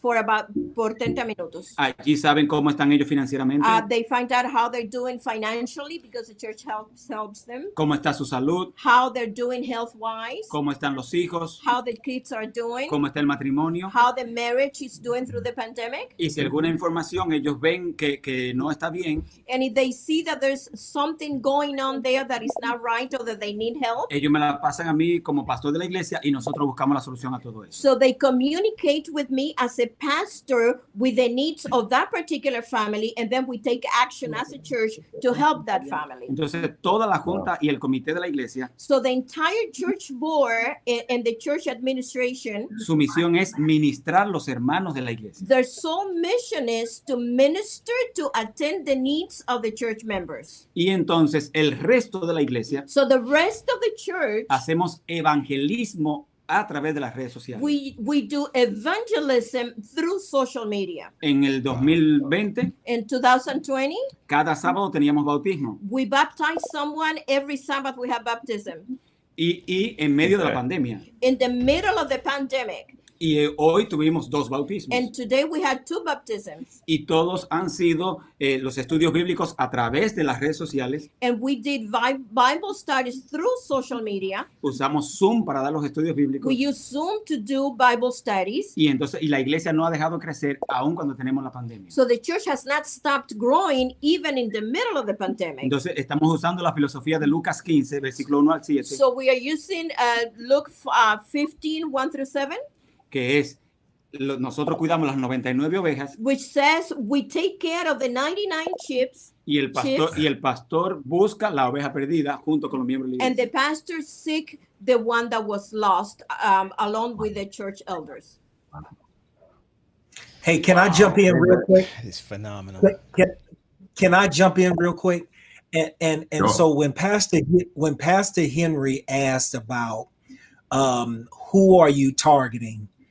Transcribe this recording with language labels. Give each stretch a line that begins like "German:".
Spanish: Por 30 minutos. Allí saben cómo están ellos financieramente.
English: They find out how they're doing financially because the church helps them.
Spanish: ¿Cómo está su salud?
English: How they're doing health-wise.
Spanish: ¿Cómo están los hijos?
English: How the kids are doing.
Spanish: ¿Cómo está el matrimonio?
English: How the marriage is doing through the pandemic.
Spanish: Y si alguna información ellos ven que no está bien.
English: And if they see that there's something going on there that is not right or that they need help.
Spanish: Ellos me la pasan a mí como pastor de la iglesia y nosotros buscamos la solución a todo eso.
English: So they communicate with me as a pastor with the needs of that particular family, and then we take action as a church to help that family.
Spanish: Entonces toda la junta y el comité de la iglesia.
English: So the entire church board and the church administration.
Spanish: Su misión es ministrar los hermanos de la iglesia.
English: Their sole mission is to minister to attend the needs of the church members.
Spanish: Y entonces el resto de la iglesia.
English: So the rest of the church.
Spanish: Hacemos evangelismo a través de las redes sociales.
English: We do evangelism through social media.
Spanish: En el 2020.
English: In 2020.
Spanish: Cada sábado teníamos bautismo.
English: We baptize someone every Sabbath. We have baptism.
Spanish: Y en medio de la pandemia.
English: In the middle of the pandemic.
Spanish: Y hoy tuvimos dos bautismos.
English: And today we had two baptisms.
Spanish: Y todos han sido los estudios bíblicos a través de las redes sociales.
English: And we did Bible studies through social media.
Spanish: Usamos Zoom para dar los estudios bíblicos.
English: We use Zoom to do Bible studies.
Spanish: Y la iglesia no ha dejado crecer aún cuando tenemos la pandemia.
English: So the church has not stopped growing even in the middle of the pandemic.
Spanish: Entonces estamos usando la filosofía de Lucas 15, versículo 1 al 7.
English: So we are using Luke 15, 1 through 7.
Spanish: Que es, nosotros cuidamos las 99 ovejas.
English: Which says, we take care of the 99 sheep.
Spanish: Y el pastor, busca la oveja perdida junto con los miembros de la iglesia.
English: And the pastor seek the one that was lost along with the church elders. Hey, can I jump in real quick? It's phenomenal. Can I jump in real quick? And sure. So when Pastor Henry asked about who are you targeting?